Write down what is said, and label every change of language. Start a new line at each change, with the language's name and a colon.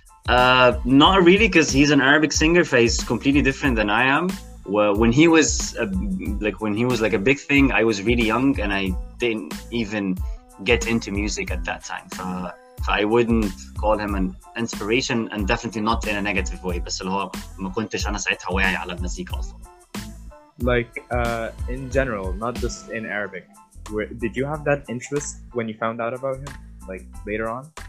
English: Not really, because he's an Arabic singer, so he's completely different than I am. Well, when he was like a big thing, I was really young and I didn't even get into music at that time. So I wouldn't call him an inspiration, and definitely not in a negative way.
Arabic: بس اللي هو ما كنتش أنا ساعتها واعي على المزيكا أصلا.
English: In general, not just in Arabic, did you have that interest when you found out about him, like later on?